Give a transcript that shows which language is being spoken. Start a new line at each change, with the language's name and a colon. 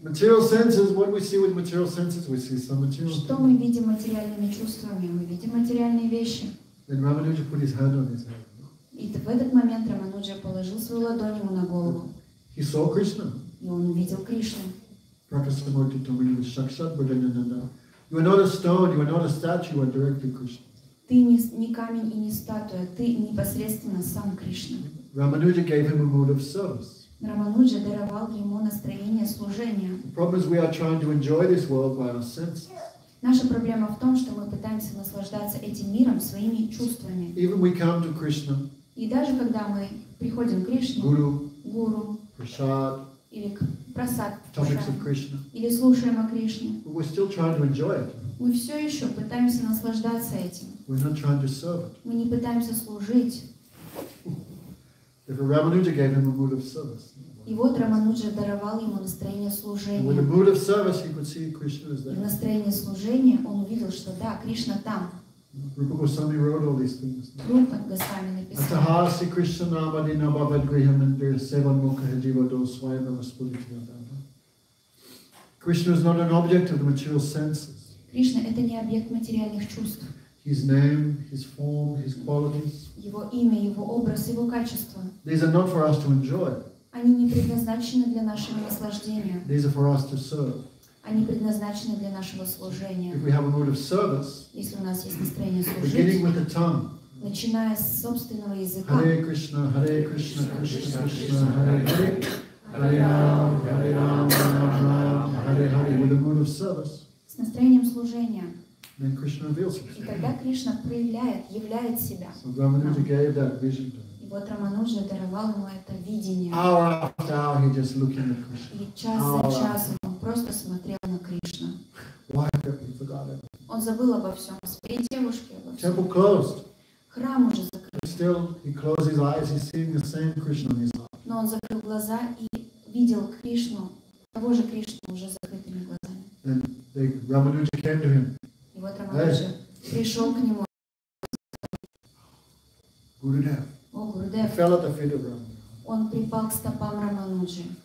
English: Material senses, what we see with material senses, we see some material.
Russian: Что мы видим материальными чувствами? Мы видим материальные вещи.
English: Then Ramanuja put his hand on his head.
Russian: И в этот момент Рамануджа положил свою ладонь ему на голову.
English: He saw Krishna.
Russian: И он увидел Кришну.
Sanskrit: Prakasamurti Tamini Shakshat Bhadananda.
English: You are not a stone, you are not a statue, you are directly Krishna.
Russian: Ты не камень и не статуя, ты непосредственно сам Кришна.
English: Рамануджа gave him a mood of service.
Russian: Рамануджа даровал ему настроение служения.
English: The problem is we are trying to enjoy this world by our senses.
Russian: Наша проблема в том, что мы пытаемся наслаждаться этим миром своими чувствами.
English: Even we come to Krishna.
Russian: И даже когда мы приходим к Кришне, гуру, прасад, или к прасад,
English: topics of Krishna,
Russian: или слушаем о Кришне,
English: but we're still trying to enjoy it.
Russian: Мы все еще пытаемся наслаждаться этим.
English: We're not trying to serve it.
Russian: Мы не пытаемся служить.
English: If a Ramanuja gave him a mood of service.
Russian: И вот Рамануджа даровал ему настроение служения.
English: With a mood of service, he could see Krishna is there.
Russian: В настроении служения он увидел, что да, Кришна там.
English: Rupa Goswami wrote all these things.
Russian: Rupa Goswami написал.
Sanskrit: Atahasi Krishna Namadi Nabhavad Grihamandir Sevan Mukha Jiva Doswaya Namaspulityadana.
English: Krishna is not an object of the material senses.
Russian: Кришна — это не объект материальных чувств.
English: His name, his form, his qualities.
Russian: Его имя, его образ, его качество.
English: These are not for us to enjoy.
Russian: Они не предназначены для нашего наслаждения.
English: These are for us to serve.
Russian: Они предназначены для нашего служения.
English: If we have a mood of service,
Russian: если у нас есть настроение служить,
English: beginning with the tongue,
Russian: начиная с собственного языка.
Sanskrit: Hare Krishna, Hare Krishna, Krishna Krishna, Hare Hare, Hare Rama, Rama Rama, Hare Hare,
English: with a mood of service.
Russian: Настроением служения.
English: Then Krishna reveals himself.
Russian: И тогда Кришна проявляет, являет себя.
English: So Рамануджа gave that vision to him.
Russian: И вот Рамануджа даровал ему это видение.
English: Hour after hour he just looking at Krishna.
Russian: И час за часом он просто смотрел на Кришну.
English: Why have you forgotten?
Russian: Он забыл обо всем, о своей девушке, обо всем.
English: Temple closed.
Russian: Храм уже закрыт.
English: But still he closed his eyes, he's seeing the same Krishna in his heart.
Russian: Но он закрыл глаза и видел Кришну, того же Кришну уже закрытыми глазами.
English: And Рамануджа came to him.
Russian: И вот Рамануджа пришел к нему. Гурудев. О, Гурудев.
English: Fell at the feet of Рамануджа.
Russian: Он припал к стопам Рамануджи.